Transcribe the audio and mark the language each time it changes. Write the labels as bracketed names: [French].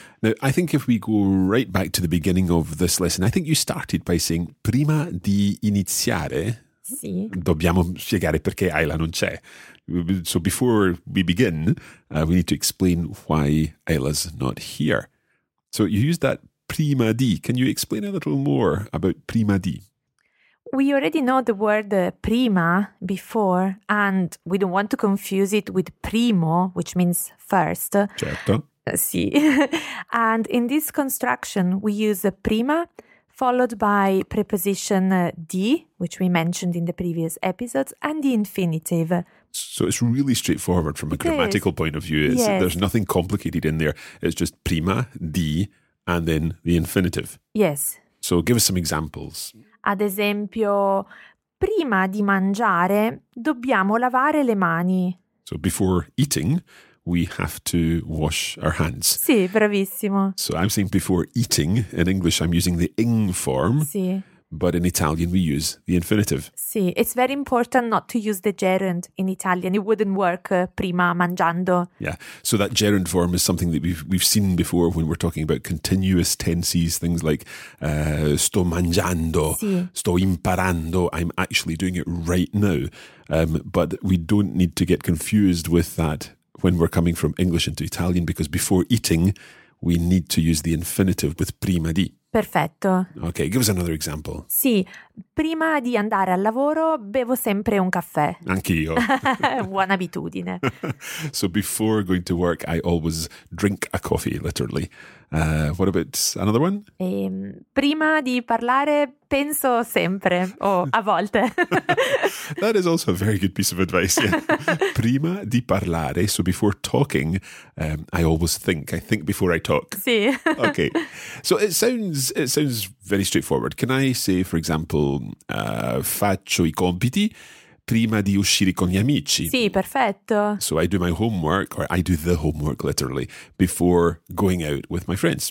[English] Now, I think if we go right back to the beginning of this lesson, I think you started by saying [Italian] prima di iniziare, Sì. Dobbiamo spiegare perché Ayla non c'è. [English] So before we begin, we need to explain why Ayla's not here. So you use that prima di. Can you explain a little more about prima di? We already know the word prima, before, and we don't want to confuse it with primo, which means first. [Italian] Certo. Sì. [English] And in this construction, we use prima followed by preposition di, which we mentioned in the previous episodes, and the infinitive. So it's really straightforward from a grammatical point of view. Yes. There's nothing complicated in there. It's just prima, di, and then the infinitive. Yes. So give us some examples. [Italian] Ad esempio, prima di mangiare, dobbiamo lavare le mani. [English] So before eating, we have to wash our hands. [Italian] Sì, bravissimo. [English] So I'm saying before eating, in English I'm using the ing form. [Italian] Sì. [English] But in Italian we use the infinitive. Sì, it's very important not to use the gerund in Italian. It wouldn't work [Italian] prima mangiando. [English] Yeah, so that gerund form is something that we've seen before when we're talking about continuous tenses, things like [Italian] sto mangiando, sì. Sto imparando, [English] I'm actually doing it right now. But we don't need to get confused with that when we're coming from English into Italian, because before eating, we need to use the infinitive with prima di. [Italian] Perfetto. [English] Ok, give us another example. [Italian] Sì, prima di andare al lavoro bevo sempre un caffè. Anch'io. Buona abitudine. [English] So before going to work, I always drink a coffee, literally. What about another one? [Italian] Prima di parlare penso sempre, o a volte. [English] That is also a very good piece of advice. Yeah. [Italian] Prima di parlare, [English] so before talking, I always think. I think before I talk. [Italian] Sì. [English] Okay, so it sounds very straightforward. Can I say, for example, [Italian] faccio I compiti prima di uscire con gli amici? Sì, perfetto. [English] So I do my homework, or I do the homework literally, before going out with my friends.